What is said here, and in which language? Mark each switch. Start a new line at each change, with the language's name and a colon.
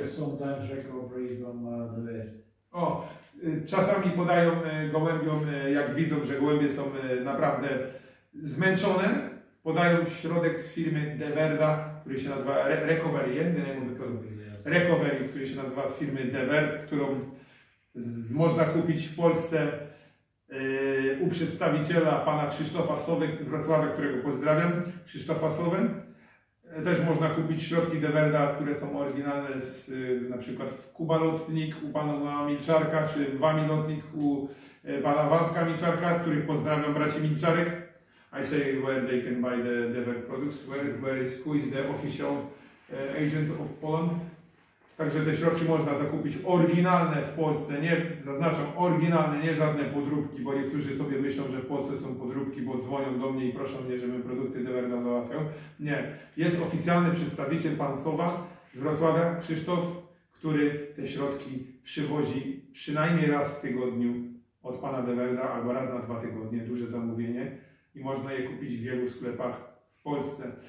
English: Sometimes recovery from the bear.
Polish: O, czasami podają gołębiom, jak widzą, że gołębie są naprawdę zmęczone, podają środek z firmy Deverda, który się nazywa Recovery, nie wiem, jak Recovery, który się nazywa z firmy Deverd, którą można kupić w Polsce u przedstawiciela pana Krzysztofa Sowy z Wrocławia, którego pozdrawiam, Krzysztofa Sowy. Też można kupić środki Deverda, które są oryginalne z na przykład w Kuba Lotnik u pana Milczarka, czy Wami Lotnik u pana Wątka Milczarka, których pozdrawiam, braci Milczarek.
English: I say where they can buy the Deverd products, who is the official agent of Poland.
Polish: Także te środki można zakupić oryginalne w Polsce, nie, zaznaczam, oryginalne, nie żadne podróbki, bo niektórzy sobie myślą, że w Polsce są podróbki, bo dzwonią do mnie i proszą mnie, żebym produkty Deverda załatwiał. Nie, jest oficjalny przedstawiciel pan Sowa z Wrocławia, Krzysztof, który te środki przywozi przynajmniej raz w tygodniu od pana Deverda, albo raz na 2 tygodnie, duże zamówienie i można je kupić w wielu sklepach w Polsce.